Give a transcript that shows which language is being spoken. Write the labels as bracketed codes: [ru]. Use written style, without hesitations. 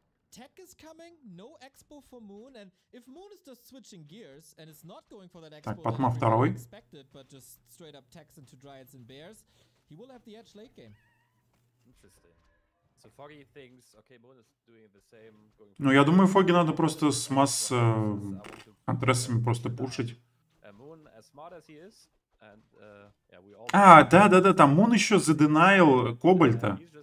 [en] Tech is coming, no expo for Moon, and if Moon is just switching gears and is not going for that expo that we really expected, but just straight up techs into dryads and bears, he will have the edge late game. Interesting. So Foggy thinks, okay, Moon is doing the same. [ru] Ну, я думаю, Фоги надо просто с масс антрессами просто пушить. [en] Moon, as smart as he is, and, [ru] да, там Moon еще заденайл кобальта.